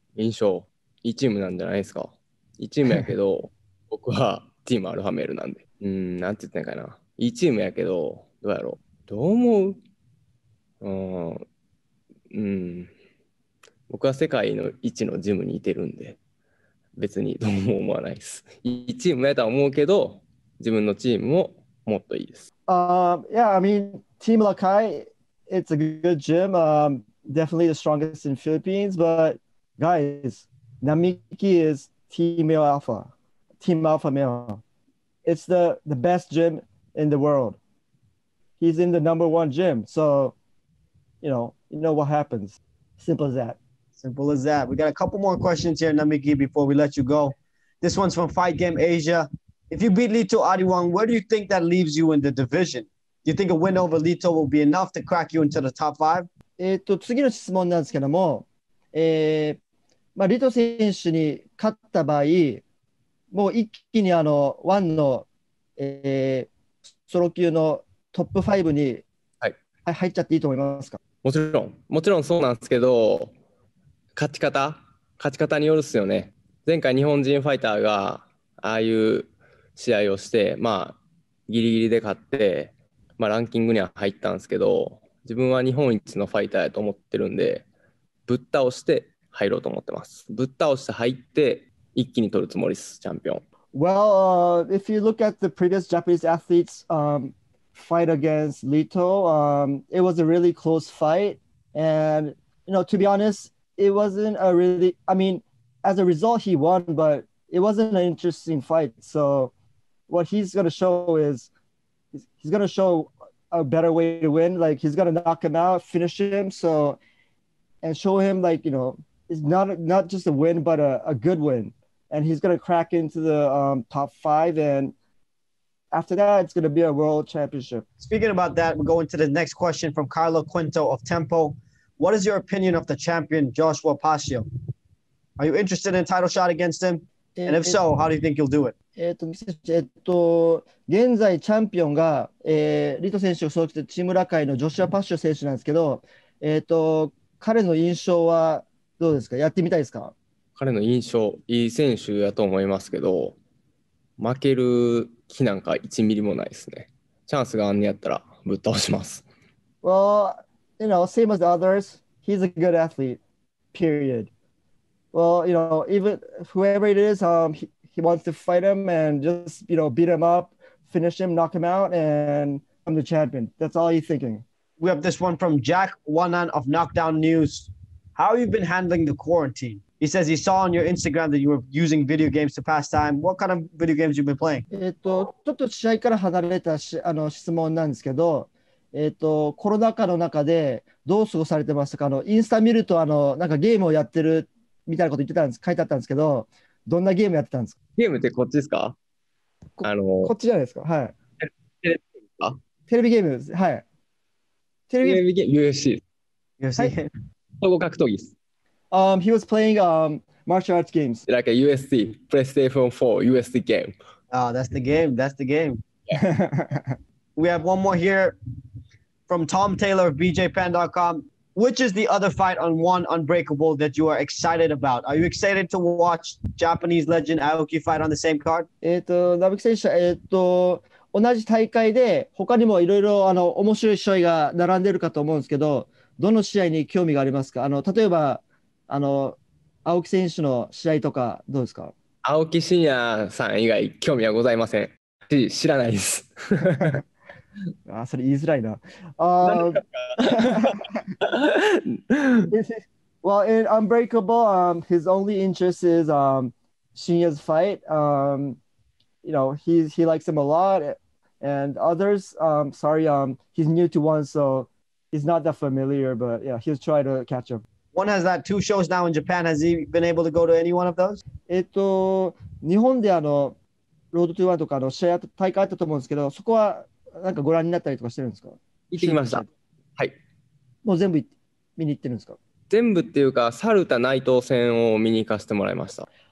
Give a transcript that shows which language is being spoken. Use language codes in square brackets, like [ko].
[ja] 印象、いいチームなんじゃないですか。いいチームやけど僕はチームアルファメールなんで、なんて言ってんかな、いいチームやけど、どうやろう、どう思う、僕は世界の一のジムにいてるんで、別にどうも思わないです。いいチームやとは思うけど、自分のチームももっといいです。 [en] Yeah, I mean, Team Lakai, it's a good gym. Definitely the strongest in Philippines. But guys, Namiki is Team Male Alpha. Team Alpha Male. It's the best gym in the world. He's in the number one gym. So, you know what happens. Simple as that. Simple as that. We got a couple more questions here, Namiki, before we let you go. This one's from Fight Game Asia. If you beat Lito Adiwang, where do you think that leaves you in the division? Do you think a win over Lito will be enough to crack you into the top five? [ja] 次の質問なんですけども、Lito 選手に勝った場合、もう一気にあの1の、ソロ級のトップ5に、はい、入っちゃっていいと思いますか？もちろん、もちろんそうなんですけど、勝ち方、勝ち方によるっすよね。前回日本人ファイターがああいう試合をして、まあギリギリで勝って、まあランキングには入ったんですけど、自分は日本一のファイターやと思ってるんで、ぶっ倒して入ろうと思ってます。ぶっ倒して入って一気に取るつもりです、チャンピオン。 [en] Well, if you look at the previous Japanese athletes、fight against Lito、it was a really close fight, and you know, to be honest, it wasn't a really, I mean, as a result he won, but it wasn't an interesting fight. So what he's gonna show is he's gonna show a better way to win. Like he's gonna knock him out, finish him, so, and show him like, you know, it's not just a win, but a good win. And he's gonna crack into the top five, and after that, it's gonna be a world championship. Speaking about that, we're going to the next question from Carlo Quinto of Tempo. What is your opinion of the champion, Joshua Pasio? Are you interested in a title shot against him? And if so, how do you think you'll do it? [ja] 現在チャンピオンが、リト選手を所属するチームラカイのジョシュア・パッシオ選手なんですけど、彼の印象はどうですか？やってみたいですか？彼の印象、いい選手だと思いますけど、負ける気なんか1ミリもないですね。チャンスがあんねやったらぶっ倒します。 [en] Well, you know, same as the others, he's a good athlete, period. Well, you know, even whoever it is, he wants to fight him and just, you know, beat him up, finish him, knock him out, and I'm the champion. That's all he's thinking. We have this one from Jack Wanan of Knockdown News. How have you been handling the quarantine? He says he saw on your Instagram that you were using video games to pass time. What kind of video games have you been playing? [ja] ちょっと試合から離れた質問なんですけど、コロナ禍の中でどう過ごされてましたか？インスタ見るとなんかゲームをやってるみたいなこと言ってたんです、書いてあったんですけど、どんなゲームやってたんですか？ゲームってこっちですか？こっちじゃないですか？はい。テレビゲームか？テレビゲームです。はい。テレビゲーム、UFC。 UFC。総合格闘技です。 [en] He was playing martial arts games. Like a USC, PlayStation 4, USC game. Oh, that's the game. That's the game. We have one more here from Tom Taylor of BJPen.com. Which is the other fight on One Unbreakable that you are excited about? Are you excited to watch Japanese legend Aoki fight on the same card? [ja] Naviki 選手、同じ大会で他にもいろいろ面白い試合が並んでるかと思うんですけど、どの試合に興味がありますか？例えば青木選手の試合とかどうですか？青木真也さん以外興味はございません。知らないです。あ、それ言いづらいな。 [en] well, in Unbreakable, his only interest is Shinya's fight. You know, he likes him a lot. And others, he's new to one, so he's not that familiar. But yeah, he'll try to catch him. One has that two shows now in Japan. Has he been able to go to any one of those? [ja] 日本でロードトゥワンとか試合あった、大会あったと思うんですけど、そこはなんかご覧になったりとかしてるんですか？行ってきました。はい。もう全部見に行ってるんですか？全部っていうか、サルタ内藤戦を見に行かせてもらいました。